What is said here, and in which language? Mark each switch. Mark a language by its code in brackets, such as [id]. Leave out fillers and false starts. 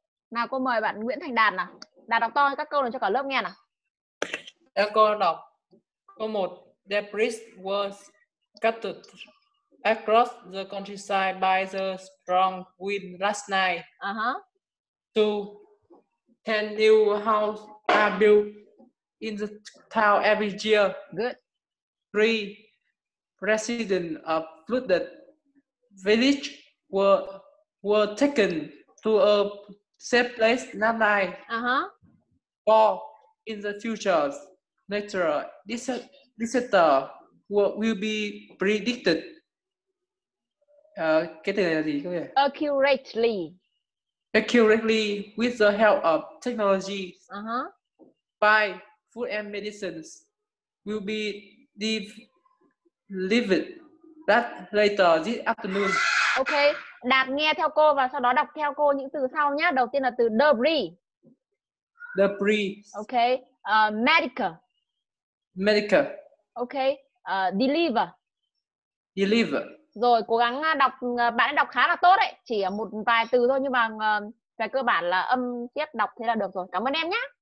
[vi] Nào, cô mời bạn Nguyễn Thành Đạt nào. Đạt đọc to các câu này cho cả lớp nghe nào. Em cô đọc câu 1. [en] Debris was cut to across the countryside by the strong wind last night. Two, 10 new houses are built in the town every year. Good. Three, residents of flooded village were taken to a safe place last night. Four, in the future, natural disaster will be predicted. [vi] Cái từ này là gì các bạn? [en] Accurately with the help of technology. Five, food and medicines will be delivered that later this afternoon. [vi] Okay, Đạt nghe theo cô và sau đó đọc theo cô những từ sau nhé. Đầu tiên là từ debris. [en] Okay, medical. Okay, deliver. [vi] Rồi, cố gắng đọc, bạn đọc khá là tốt đấy. Chỉ một vài từ thôi nhưng mà về cơ bản là âm tiết đọc thế là được rồi. Cảm ơn em nhé.